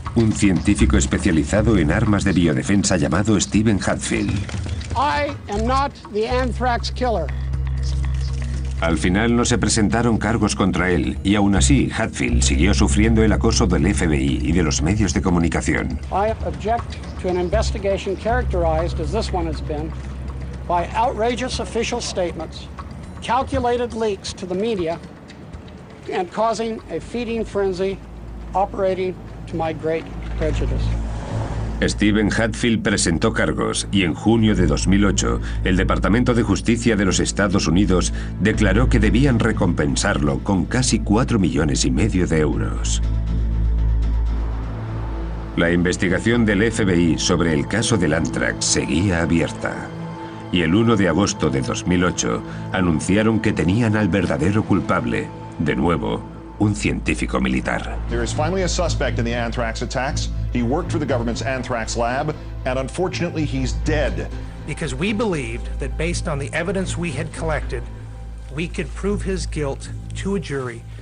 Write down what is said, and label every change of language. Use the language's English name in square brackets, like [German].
[Spanish] Un científico especializado en armas de biodefensa llamado Stephen Hadfield. [English] I am not the anthrax killer. [Spanish] Al final no se presentaron cargos contra él, y aún así, Hadfield siguió sufriendo el acoso del FBI y de los medios de comunicación. [English] I object to an investigation characterized, as this one has been, by outrageous official statements, calculated leaks to the media, and causing a feeding frenzy operating to my great prejudice. [Spanish] Stephen Hadfield presentó cargos y en junio de 2008, el Departamento de Justicia de los Estados Unidos declaró que debían recompensarlo con casi 4,5 millones de euros. La investigación del FBI sobre el caso del anthrax seguía abierta. Y el 1 de agosto de 2008, anunciaron que tenían al verdadero culpable, de nuevo, un científico militar. [English] There is finally a suspect in the anthrax attacks. He worked for the government's anthrax lab, and unfortunately, he's dead. Because we believed that based on the evidence we had collected, we could prove his guilt to a jury